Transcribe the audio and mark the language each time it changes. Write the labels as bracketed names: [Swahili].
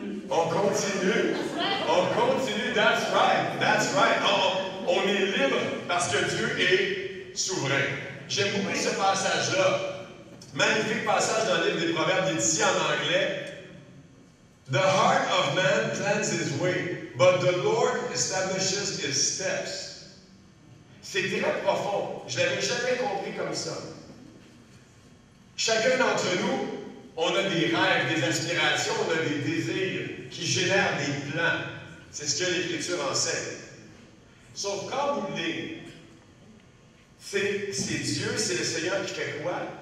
[French] On continue. On continue. [English] That's right. That's right. [French] On est libre parce que Dieu est souverain. J'aime beaucoup ce passage-là. Magnifique passage dans le livre des Proverbes, il est ici en anglais. [English] « The heart of man plans his way, but the Lord establishes his steps. » [French] C'est très profond. Je ne l'avais jamais compris comme ça. Chacun d'entre nous, on a des rêves, des aspirations, on a des désirs qui génèrent des plans. C'est ce que l'Écriture enseigne. Sauf quand vous venez, c'est Dieu, c'est le Seigneur qui fait quoi?